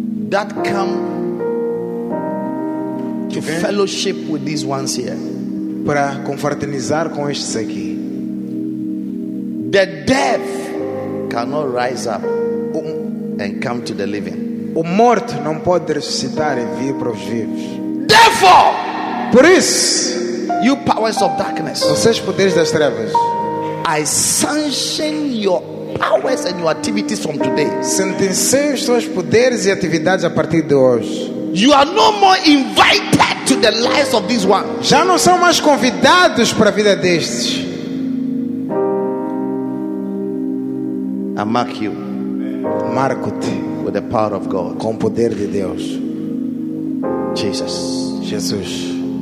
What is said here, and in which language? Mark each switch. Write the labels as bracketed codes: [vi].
[en] That come to vem, fellowship with these ones here. [pt] Para confraternizar com estes aqui. [en] The death cannot rise up and come to the living. [pt] O morto não pode ressuscitar e vir para os vivos. [en] Therefore, [pt] por isso, [en] You powers of darkness. [pt] Vocês poderes das trevas. [en] I sanction your powers and your activities from today. [pt] Sentencio os seus poderes e atividades a partir de hoje. [en] You are no more invited to the lives of these ones. [pt] Já não são mais convidados para a vida destes. [en] I mark you. [pt] Marco-te. [en] With the power of God. [pt] Com o poder de Deus. [en] Jesus. [pt] Jesus.